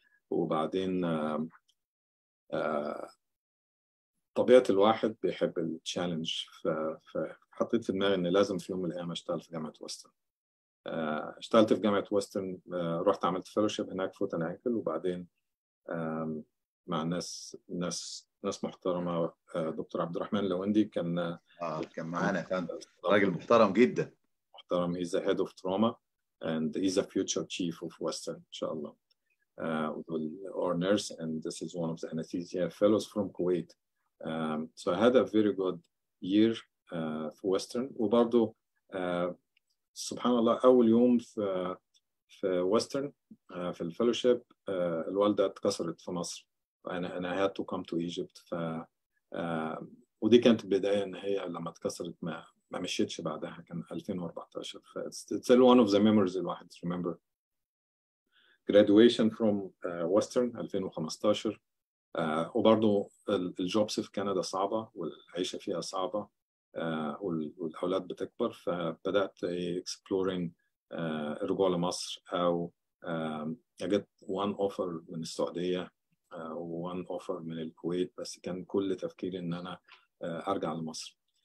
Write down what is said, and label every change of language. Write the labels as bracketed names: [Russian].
[Arabic] وبعدين طبيعه الواحد بيحب التشالنج، فحطيت في دماغي ان لازم في يوم من الايام اشتغل في جامعه وسترن. اشتغلت في جامعة وسترن، رحت عملت فيلوشيب هناك فوت اند انكل، وبعدين مع ناس محترمة. دكتور عبد الرحمن لويندي كان معانا، كان راجل محترم جدا، محترم. [English] he's a head of trauma and he's a future chief of Western ان شاء الله. Our nurse and this is one of the anesthesia fellows from Kuwait. So I had a very good year for Western. [Arabic] وبرضو سبحان الله أول يوم في وسترن في الفيلوشيب الوالدة اتكسرت في مصر، أنا [English] had to come to Egypt. [Arabic] ودي كانت البداية، إن هي لما اتكسرت ما مشيتش بعدها، كان 2014. [English] It's one of the memories [Arabic] الواحد [English] remember. Graduation from Western 2015. [Arabic] وبرضو الجوبس في كندا صعبة والعيشة فيها صعبة، والأولاد بتكبر، فبدأت exploring رجوع لمصر، أو [English] I get one offer [Arabic] من السعودية وone offer من الكويت، بس كان كل تفكيري إن أنا أرجع لمصر.